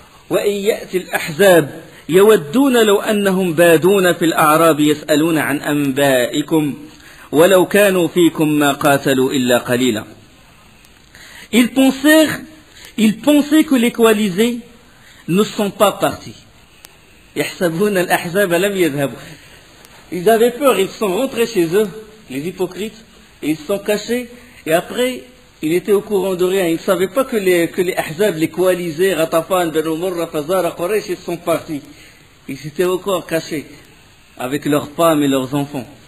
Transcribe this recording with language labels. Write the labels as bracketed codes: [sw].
[ar] وإن يأتي الأحزاب. يودون لو أنهم بادون في الأعراب يسألون عن أنبائكم ولو كانوا فيكم ما قاتلوا إلا قليلا. [fr] Ils pensaient que les coalisés ne sont pas partis. [ar] يحسبون الأحزاب لم يذهبوا. [fr] Ils avaient peur, ils sont rentrés chez eux, les hypocrites, et ils se sont cachés, et après il était au courant de rien. Il ne savait pas que les Ahzab, les coalisés, Ratafan, Ben Omurra, Fazara, Quraysh, ils sont partis. Ils étaient encore cachés avec leurs femmes et leurs enfants.